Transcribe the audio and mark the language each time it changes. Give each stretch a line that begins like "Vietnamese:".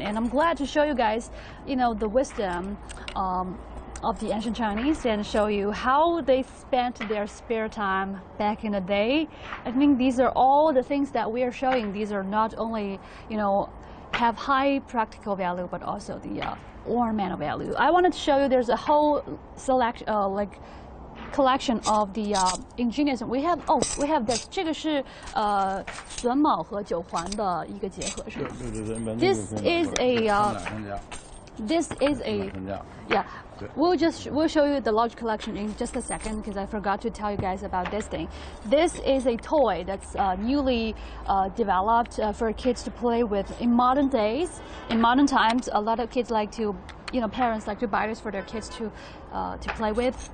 English: And I'm glad to show you guys, you know, the wisdom of the ancient Chinese and show you how they spent their spare time back in the day. I think these are all the things that we are showing. These are not only, you know, have high practical value, but also the ornamental value. I wanted to show you there's a whole select like collection of the ingenious. We have this.
Chinese: 这个是榫卯和九环的一个结合，是吧？对对对，这是。
English: This is a This is a, yeah, we'll show you the large collection in just a second, because I forgot to tell you guys about this thing. This is a toy that's newly developed for kids to play with in modern days. In modern times, a lot of kids like to, you know, parents like to buy this for their kids to play with.